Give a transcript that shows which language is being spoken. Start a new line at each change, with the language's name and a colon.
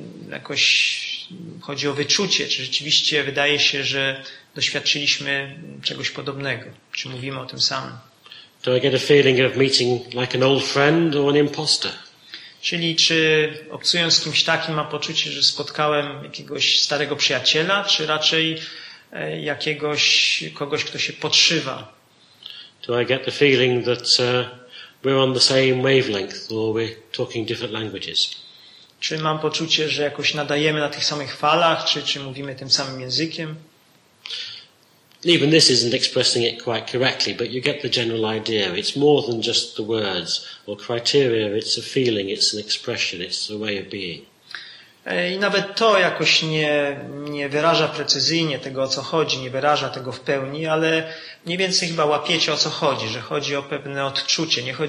Polish: Jakoś chodzi o wyczucie, czy rzeczywiście wydaje się, że doświadczyliśmy czegoś podobnego, czy mówimy o tym samym.
English: Do I get a feeling of meeting like an old friend or an imposter?
Polish: Czyli czy obcując z kimś takim mam poczucie, że spotkałem jakiegoś starego przyjaciela, czy raczej jakiegoś kogoś, kto się podszywa?
English: Do I get the feeling that we're on the same wavelength or we're talking different languages?
Polish: Czy mam poczucie, że jakoś nadajemy na tych samych falach, czy mówimy tym samym językiem?
English: Even this isn't expressing it quite correctly, but you get the general idea. It's more than just the words or criteria. It's a feeling, it's an expression, it's a way of being.
Polish: I nawet to jakoś nie wyraża precyzyjnie tego, o co chodzi, nie wyraża tego w pełni, ale mniej więcej chyba łapiecie, o co chodzi, że chodzi o pewne odczucie.